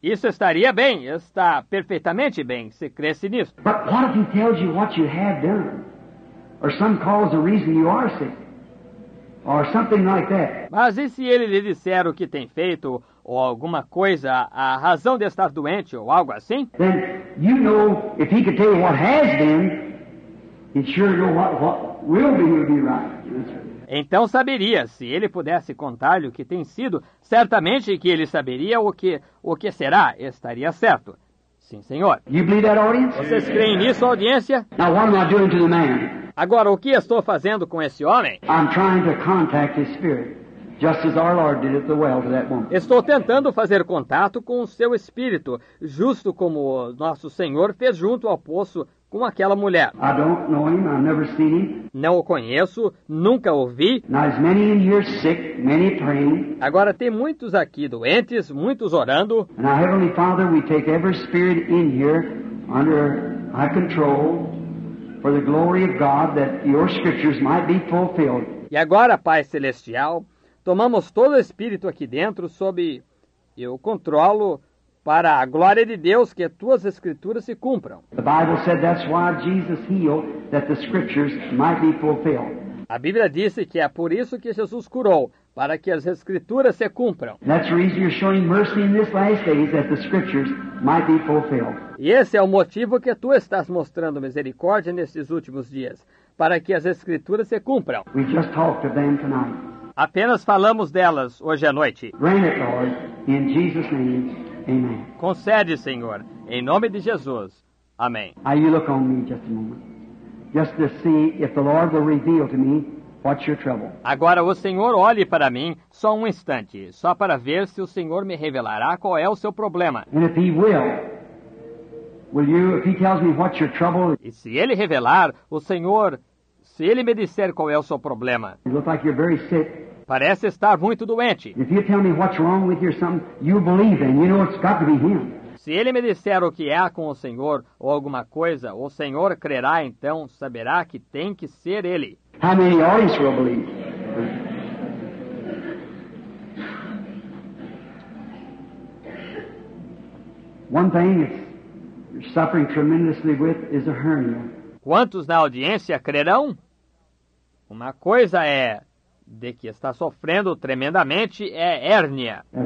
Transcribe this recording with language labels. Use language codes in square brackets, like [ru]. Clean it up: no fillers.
[pt] Isso estaria bem, está perfeitamente bem, se cresce nisso. [en] But what if he tells you what you have done? Or some cause or reason you are sick? Or something like that? [pt] Mas e se ele lhe disser o que tem feito, ou alguma coisa, a razão de estar doente, ou algo assim? [en] Then you know, if he could tell you what has been, he'd sure know what will be, would be right. [pt] Então saberia, se ele pudesse contar-lhe o que tem sido, certamente que ele saberia o que será, estaria certo. Sim, senhor. [en] You believe that, audience? [pt] Vocês creem nisso, audiência? [en] Now, what am I doing to the man? [pt] Agora, o que estou fazendo com esse homem? [en] I'm trying to contact his spirit, just as our Lord did at the well to that woman. [pt] Estou tentando fazer contato com o seu espírito, justo como o nosso Senhor fez junto ao poço com aquela mulher. [en] I don't know him, I've never seen him. [pt] Não o conheço, nunca o vi. [en] Now, as many in here sick, many praying. [pt] Agora tem muitos aqui doentes, muitos orando. [en] Now, Heavenly Father, we take every spirit in here under our control for the glory of God, that your scriptures might be fulfilled. [pt] E agora, Pai Celestial, tomamos todo o espírito aqui dentro sob eu controlo, para a glória de Deus, que as tuas escrituras se cumpram. [en] The Bible said that's why Jesus healed, that the scriptures might be fulfilled. [pt] A Bíblia disse que é por isso que Jesus curou, para que as escrituras se cumpram. [en] That's the reason you're showing mercy in this last days, that the scriptures might be fulfilled. [pt] E esse é o motivo que tu estás mostrando misericórdia nesses últimos dias, para que as escrituras se cumpram. [en] We just talked of them tonight. [pt] Apenas falamos delas hoje à noite. [en] Grant it, Lord, in Jesus' name. Amen. [pt] Concede, Senhor, em nome de Jesus. Amém. [en] You look on me just a moment, just to see if the Lord will reveal to me what's your trouble. [pt] Agora o Senhor olhe para mim só um instante, só para ver se o Senhor me revelará qual é o seu problema. [en] And if he will you, if he tells me what's your trouble? [pt] E se ele revelar, o Senhor, se ele me disser qual é o seu problema? [en] You look like you're very sick. [pt] Parece estar muito doente. [en] If you tell me what's wrong with your son, you believe and you know it's got to be him. [pt] Se ele me disser o que há com o Senhor ou alguma coisa, o Senhor crerá, então saberá que tem que ser ele. [en] How many audience will believe? One thing is you're suffering tremendously with is a hernia. [pt] Quantos na audiência crerão? Uma coisa é de que está sofrendo tremendamente é hérnia.